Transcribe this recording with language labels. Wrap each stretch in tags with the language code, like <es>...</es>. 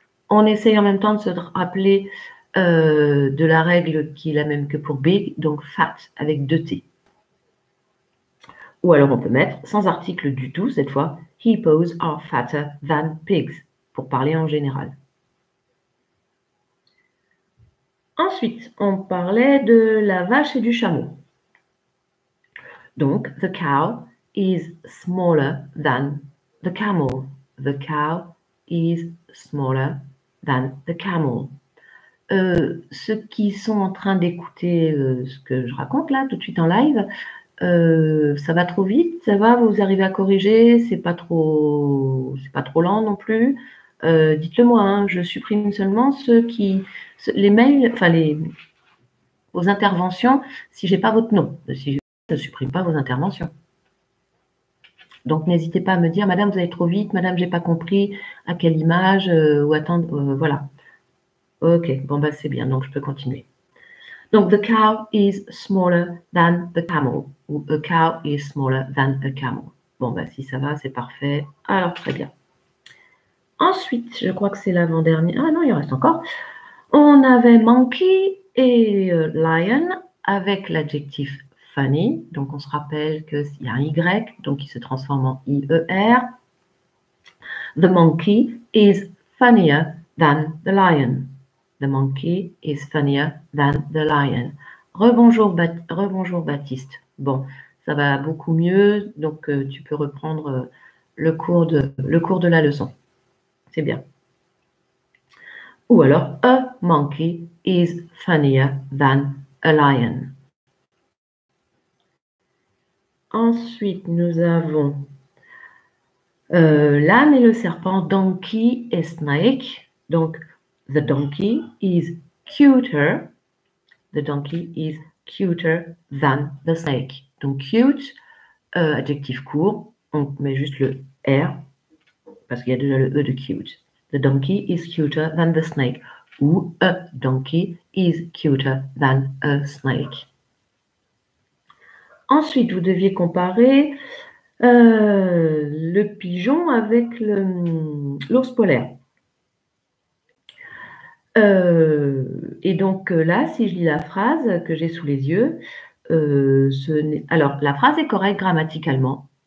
<fr>On essaye en même temps de se rappeler de la règle qui est la même que pour big, donc fat avec deux t. Ou alors on peut mettre, sans article du tout cette fois,</fr> <en>hippos are fatter than pigs,</en> <fr>pour parler en général. Ensuite, on parlait de la vache et du chameau.</fr> <en>Donc, the cow is smaller than the camel. The cow is smaller than the camel.</en> <fr>Ceux qui sont en train d'écouter ce que je raconte là, tout de suite en live, ça va trop vite, ça va, vous arrivez à corriger, c'est pas trop lent non plus. Dites-le moi, hein, je supprime seulement ceux qui, les mails, enfin les, aux interventions si je n'ai pas votre nom. Si je ne supprime pas vos interventions. Donc, n'hésitez pas à me dire, madame, vous allez trop vite, madame, je n'ai pas compris à quelle image ou attendre. Voilà. OK, bon, bah, c'est bien, donc je peux continuer.</fr> <en>Donc, the cow is smaller than the camel. Ou a cow is smaller than a camel.</en> <fr>Bon, bah, si ça va, c'est parfait. Alors, très bien. Ensuite, je crois que c'est l'avant-dernier. Ah non, il en reste encore. On avait monkey et lion avec l'adjectif funny. Donc, on se rappelle qu'il y a un Y, donc il se transforme en IER.</fr> <en>The monkey is funnier than the lion. The monkey is funnier than the lion.</en> <fr>Rebonjour</fr> <en>Baptiste.</en> <fr>Bon, ça va beaucoup mieux. Donc, tu peux reprendre le cours de la leçon. C'est bien. Ou alors,</fr> <en>a monkey is funnier than a lion.</en> <fr>Ensuite, nous avons l'âne et le serpent, donkey et snake.</fr> <en>Donc, the donkey is cuter. The donkey is cuter than the snake.</en> <fr>Donc, cute, adjectif court. On met juste le R parce qu'il y a déjà le E de cute.</fr> <en>The donkey is cuter than the snake. Ou a donkey is cuter than a snake.</en> <fr>Ensuite, vous deviez comparer le pigeon avec l'ours polaire. Et donc là, si je lis la phrase que j'ai sous les yeux, la phrase est correcte grammaticalement.</fr>